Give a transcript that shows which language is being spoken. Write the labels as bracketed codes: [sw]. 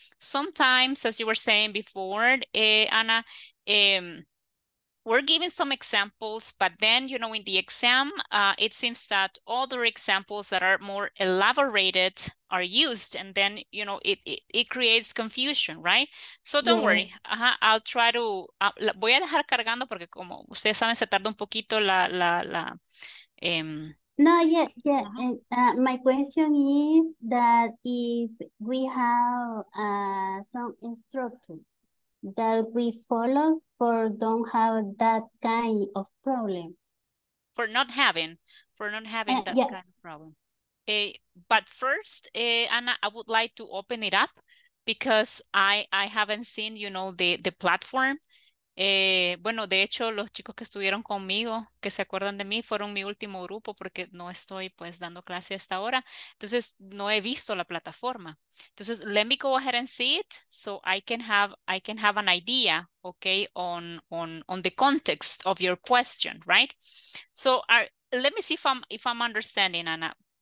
[en] Sometimes, as you were saying before, Anna, we're giving some examples, but then, you know, in the exam, it seems that other examples that are more elaborated are used, and then, you know, it creates confusion, right? So don't yes. worry. Uh-huh. I'll try to, [es] voy a dejar cargando porque como ustedes saben, se tarda un poquito la. [en] No, yeah. Uh-huh. And, my question is that if we have some instruction that we follow for don't have that kind of problem. For not having that yeah. kind of problem. But first, Anna, I would like to open it up because I haven't seen, you know, the platform. [es] Bueno, de hecho, los chicos que estuvieron conmigo, que se acuerdan de mí, fueron mi último grupo porque no estoy pues dando clase hasta ahora. Entonces, no he visto la plataforma. [en] Entonces, let me go ahead and see it so I can have an idea, okay, on the context of your question, right? So, let me see if I'm understanding, Anna.